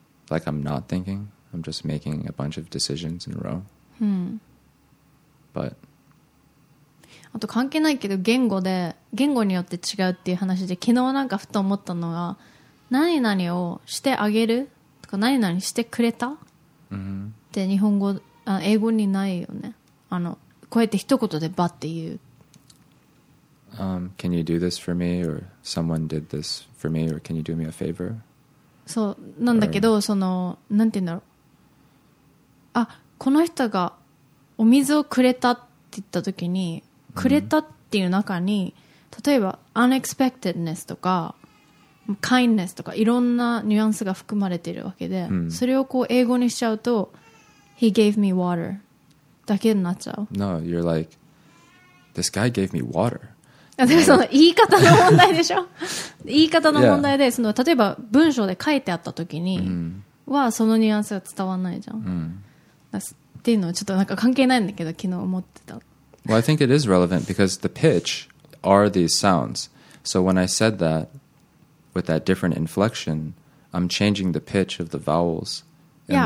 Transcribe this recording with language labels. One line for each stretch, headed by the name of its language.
English: Like I'm not thinking I'm just making a bunch of decisions in a row、うん、 But
Japanese: あと関係ないけど言語で言語によって違うっていう話で昨日なんかふと思ったのが何々をしてあげるとか何々してくれた、 mm-hmm. って日本語あ英語にないよねあのこうやって一言でバッて言う、
English: Can you do this for me or someone did this for me or can you do me a favor
Japanese: そうなんだけど or... そのなんて言うんだろうあこの人がお水をくれたって言った時にくれたっていう中に例えば unexpectedness とか kindness とかいろんなニュアンスが含まれているわけで、うん、それをこう英語にしちゃうと
English: he gave me water
Japanese: だけになっちゃう
English: No, you're like this guy gave me water
Japanese: でもその言い方の問題でしょ言い方の問題でその例えば文章で書いてあった時にはそのニュアンスが伝わらないじゃん、うん、っていうのはちょっとなんか関係ないんだけど昨日思ってた
English: Well, I think it is relevant because the pitch are these sounds. So when I said that with that different inflection, I'm changing the pitch of the vowels in